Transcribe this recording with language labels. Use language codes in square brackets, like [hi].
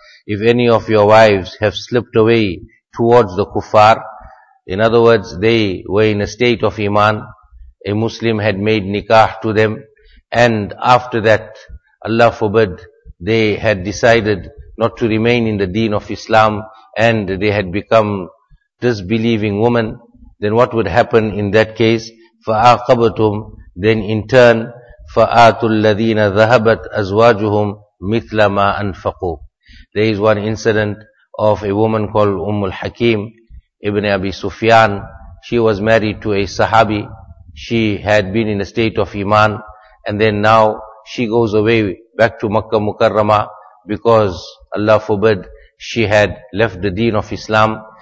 [en] If any of your wives have slipped away towards the kuffar, in other words, they were in a state of iman, a Muslim had made nikah to them, and after that, Allah forbid, they had decided not to remain in the deen of Islam, and they had become disbelieving women, then what would happen in that case? [ar] فَآقَبَتُمْ. [en] Then in turn, [ar] فَآتُوا الَّذِينَ ذَهَبَتْ أَزْوَاجُهُمْ مِثْلَ مَا أَنْفَقُوا. [en] There is one incident of a woman called Ummul Hakim Ibn Abi Sufyan. She was married to a Sahabi. She had been in a state of iman, and then now she goes away back to Makkah Mukarramah because Allah forbid she had left the deen of Islam.